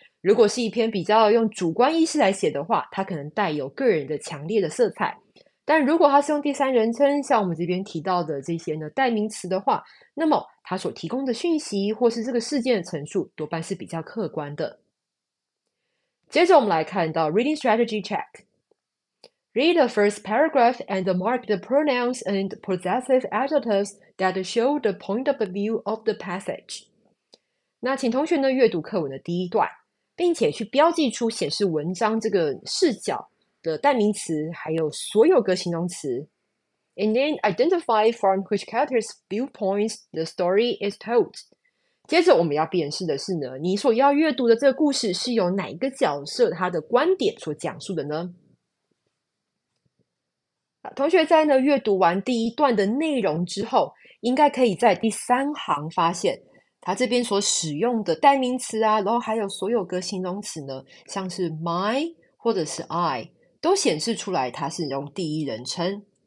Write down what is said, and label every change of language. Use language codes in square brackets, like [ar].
[zh] 如果是一篇比较用主观意识来写的话，它可能带有个人的强烈的色彩。但如果它是用第三人称，像我们这边提到的这些呢代名词的话，那么它所提供的讯息或是这个事件的陈述多半是比较客观的。接着我们来看到 reading strategy check. [en] Read the first paragraph and mark the pronouns and possessive adjectives that show the point of view of the passage. [zh] 那请同学呢阅读课文的第一段，并且去标记出显示文章这个视角的代名词，还有所有格形容词。 [en] And then identify from which character's viewpoints the story is told. [zh] 接着我们要辨识的是呢，你所要阅读的这个故事是由哪一个角色他的观点所讲述的呢？同学在呢阅读完第一段的内容之后，应该可以在第三行发现他这边所使用的代名词啊，然后还有所有格形容词呢，像是 my 或者是 I 都显示出来他是用第一人称。